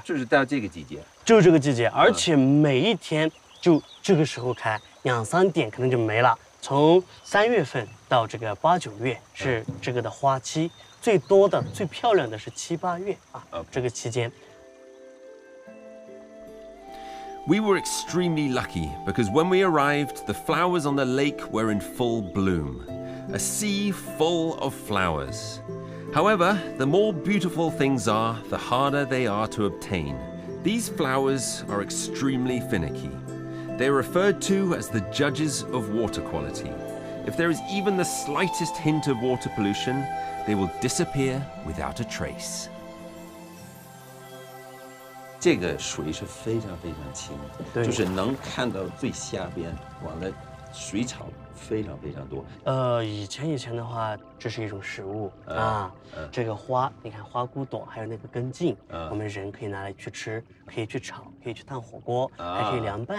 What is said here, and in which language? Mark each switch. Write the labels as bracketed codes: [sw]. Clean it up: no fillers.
[zh] 就是到这个季节，就这个季节，而且每一天就这个时候开，两三点可能就没了。从三月份到这个八九月是这个的花期，最多的、最漂亮的是七八月啊， [en] okay. [zh] 这个期间。 [en] We were extremely lucky because when we arrived, the flowers on the lake were in full bloom, a sea full of flowers. However, the more beautiful things are, the harder they are to obtain. These flowers are extremely finicky. They are referred to as the judges of water quality. If there is even the slightest hint of water pollution, they will disappear without a trace. [zh] 这个水是非常非常清的，就是能看到最下边，完了水草非常非常多。以前的话，这是一种食物啊，这个花，你看花骨朵还有那个根茎，我们人可以拿来去吃，可以去炒，可以去烫火锅，还可以凉拌，